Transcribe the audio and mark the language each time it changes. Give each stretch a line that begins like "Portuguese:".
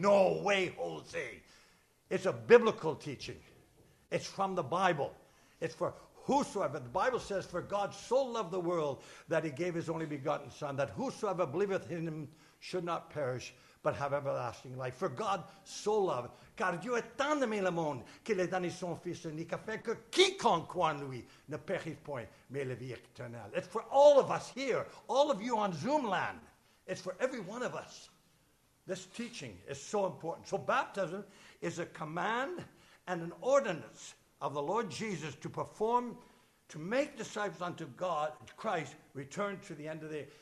English: No way, Jose. It's a biblical teaching. It's from the Bible. It's for whosoever. The Bible says, for God so loved the world that he gave his only begotten Son, that whosoever believeth in him should not perish, but have everlasting life. For God so loved,
French: car Dieu a tant aimé le monde qu'il a donné son Fils unique afin que quiconque croit en lui ne périsse point, mais la vie éternelle.
English: It's for all of us here, all of you on Zoom land. It's for every one of us. This teaching is so important. So baptism is a command and an ordinance of the Lord Jesus to perform, to make disciples unto God, Christ, return to the end of the age.